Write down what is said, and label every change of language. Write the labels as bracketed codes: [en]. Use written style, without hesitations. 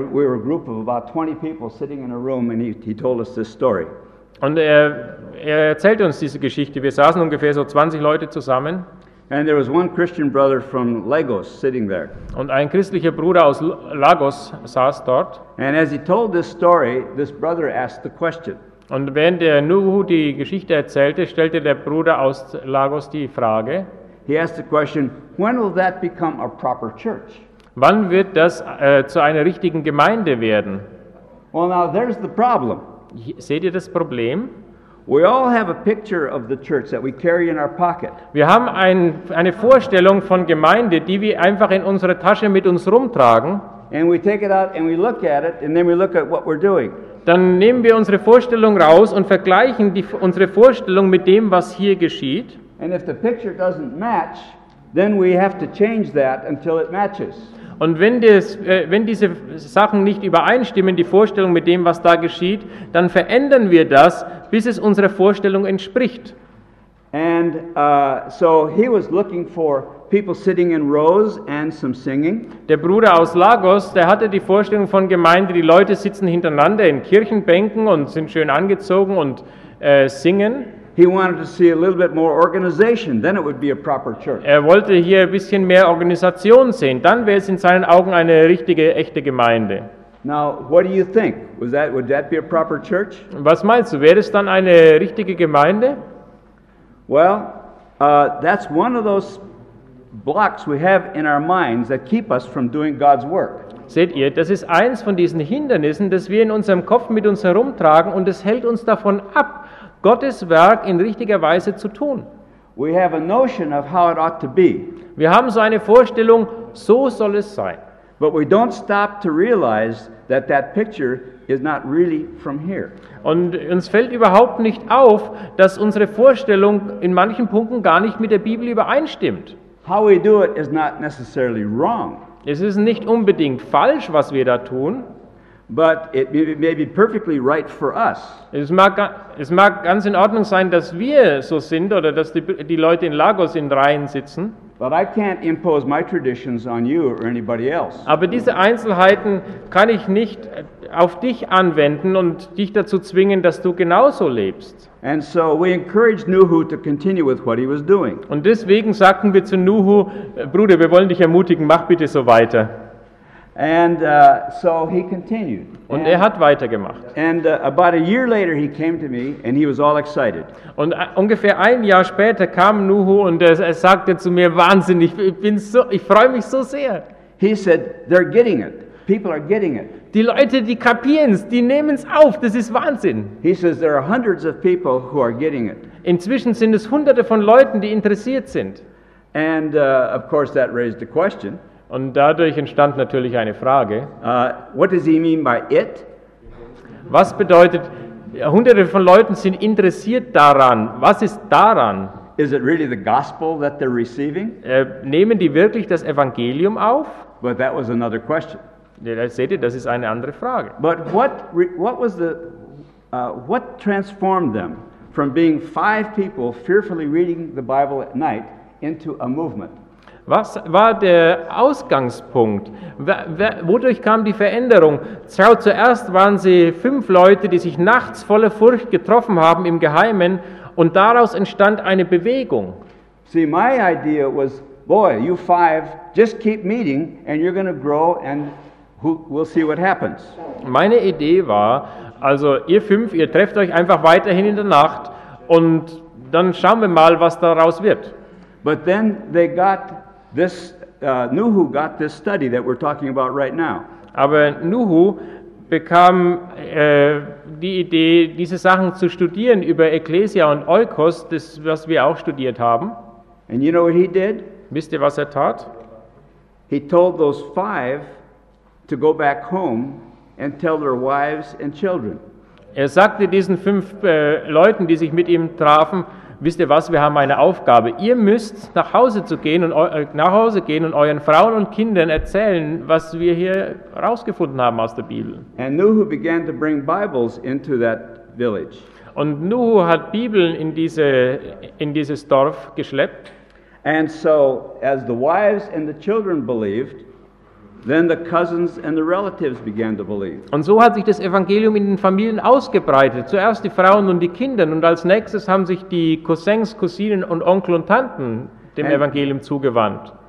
[en] We were a group of about 20 people sitting in a room, and he told us this story. [de] Und er erzählte uns diese Geschichte. Wir saßen ungefähr so 20 Leute zusammen. [en] And there was one Christian brother from Lagos sitting there. [de] Und ein christlicher Bruder aus Lagos saß dort. [en] And as he told this story, this brother asked the question. [de] Und während der Nuhu die Geschichte erzählte, stellte der Bruder aus Lagos die Frage. [en] He asked the question, when will that become a proper church? [de] Wann wird das zu einer richtigen Gemeinde werden? [en] Well, now there's the problem. [de] Seht ihr das Problem? [en] We all have a picture of the church that we carry in our pocket. [de] Wir haben eine Vorstellung von Gemeinde, die wir einfach in unsere Tasche mit uns rumtragen. [en] And we take it out and we look at it and then we look at what we're doing. [de] Dann nehmen wir unsere Vorstellung raus und vergleichen unsere Vorstellung mit dem, was hier geschieht. [en] And if the picture doesn't match, then we have to change that until it matches. [de] Und wenn diese Sachen nicht übereinstimmen, die Vorstellung mit dem, was da geschieht, dann verändern wir das, bis es unserer Vorstellung entspricht. [en] And so he was looking for people sitting in rows and some singing. [de] Der Bruder aus Lagos, der hatte die Vorstellung von Gemeinde, die Leute sitzen hintereinander in Kirchenbänken und sind schön angezogen und singen. [en] He wanted to see a little bit more organization, then it would be a proper church. [de] Er wollte hier ein bisschen mehr Organisation sehen, dann wäre es in seinen Augen eine richtige, echte Gemeinde. [en] Now, what do you think? Would that be a proper church? [de] Was meinst du, wäre es dann eine richtige Gemeinde? [en] Well, that's one of those blocks we have in our minds that keep us from doing God's work. [de] Seht ihr, das ist eins von diesen Hindernissen, das wir in unserem Kopf mit uns herumtragen, und es hält uns davon ab, Gottes Werk in richtiger Weise zu tun. [en] We have a notion of how it ought to be. [de] Wir haben so eine Vorstellung, so soll es sein. [en] But we don't stop to realize that that picture is not really from here. [de] Und uns fällt überhaupt nicht auf, dass unsere Vorstellung in manchen Punkten gar nicht mit der Bibel übereinstimmt. [en] How we do it is not necessarily wrong. [de] Es ist nicht unbedingt falsch, was wir da tun. [en] But it may be perfectly right for us. [de] Es mag ganz in Ordnung sein, dass wir so sind oder dass die Leute in Lagos in Reihen sitzen. [en] But I can't impose my traditions on you or anybody else. [de] Aber diese Einzelheiten kann ich nicht auf dich anwenden und dich dazu zwingen, dass du genauso lebst. [en] And so we encouraged Nuhu to continue with what he was doing. [de] Und deswegen sagten wir zu Nuhu, Bruder, wir wollen dich ermutigen, mach bitte so weiter. [en] And so he continued. [de] Und er hat weitergemacht. [en] And about a year later he came to me and he was all excited. [de] Und ungefähr ein Jahr später kam Nuhu und er sagte zu mir, Wahnsinn, ich freue mich so sehr. [en] He said, they're getting it. People are getting it. [de] Die Leute, die kapieren's, die nehmen's auf, das ist Wahnsinn. [en] He says, there are hundreds of people who are getting it. [de] Inzwischen sind es hunderte von Leuten, die interessiert sind. [en] And of course that raised a question. [de] Und dadurch entstand natürlich eine Frage. [en] What does he mean by it? [de] Was bedeutet, hunderte von Leuten sind interessiert daran. Was ist daran? [en] Is it really the gospel that they're receiving? [de] Nehmen die wirklich das Evangelium auf? [en] But that was another question. [de] Ja, seht ihr, das ist eine andere Frage. [en] But what transformed them from being five people fearfully reading the Bible at night into a movement? [de] Was war der Ausgangspunkt? Wodurch kam die Veränderung? Schau, zuerst waren sie fünf Leute, die sich nachts voller Furcht getroffen haben im Geheimen, und daraus entstand eine Bewegung. [en] See, my idea was, boy, you five, just keep meeting and you're going to grow and we'll see what happens. [de] Meine Idee war, also ihr fünf, ihr trefft euch einfach weiterhin in der Nacht und dann schauen wir mal, was daraus wird. [en] But then they got this Nuhu got this study that we're talking about right now. [de] Aber Nuhu bekam die Idee, diese Sachen zu studieren über Ecclesia und Oikos, das was wir auch studiert haben. [en] And you know what he did? [de] Wisst ihr, was er tat? [en] He told those five to go back home and tell their wives and children. [de] Er sagte diesen fünf Leuten, die sich mit ihm trafen, wisst ihr was, wir haben eine Aufgabe. Ihr müsst nach Hause gehen und euren Frauen und Kindern erzählen, was wir hier rausgefunden haben aus der Bibel. [en] And Nuhu began to bring Bibles into that village. [de] Und Nuhu hat Bibeln in dieses Dorf geschleppt. [en] And so as the wives and the children believed, then the cousins and the relatives began to believe. [de] Und so hat sich das Evangelium in den Familien ausgebreitet. Zuerst die Frauen und die Kinder, und als nächstes haben sich die Cousins, Cousinen und Onkel und Tanten dem Evangelium zugewandt.